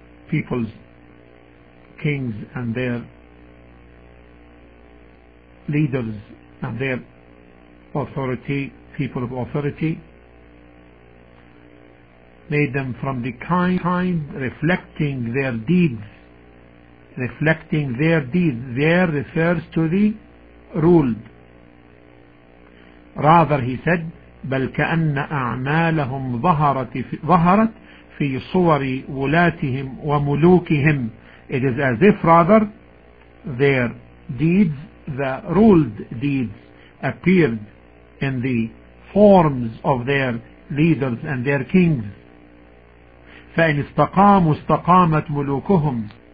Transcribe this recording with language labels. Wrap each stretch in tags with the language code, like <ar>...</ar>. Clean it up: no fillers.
<en>people's kings and their leaders and their authority, people of authority, made them from the kind reflecting their deeds. Reflecting their deeds, there refers to the ruled. Rather, he said,</en> <ar>بل كأن أعمالهم ظهرت في صور ولاتهم وملوكهم.</ar> <en>It is as if rather their deeds, the ruled deeds, appeared in the forms of their leaders and their kings.</en> <ar>فإن استقاموا استقامت ملوكهم.</ar>